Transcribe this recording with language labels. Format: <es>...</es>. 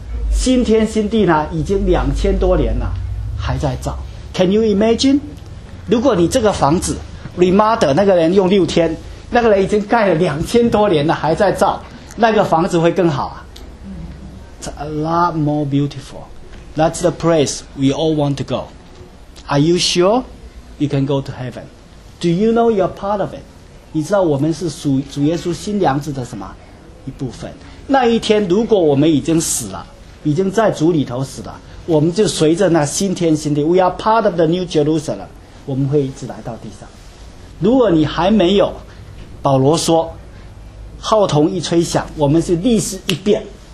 <zh>新天新地呢已经2000多年了还在造。</zh> <en>Can you imagine?</en> <zh>如果你这个房子 remodel 那个人用6天，那个人已经盖了2000多年了还在造，那个房子会更好啊。</zh> <en>It's a lot more beautiful. That's the place we all want to go. Are you sure you can go to heaven? Do you know you're part of it?</en> <zh>你知道我们是主耶稣新娘子的什么一部分。那一天如果我们已经死了，已经在主里头死了，我们就随着那新天新地，</zh> <en>We are part of the new Jerusalem，</en> <zh>我们会一直来到地上。如果你还没有，保罗说号筒一吹响，我们是历史一变。</zh>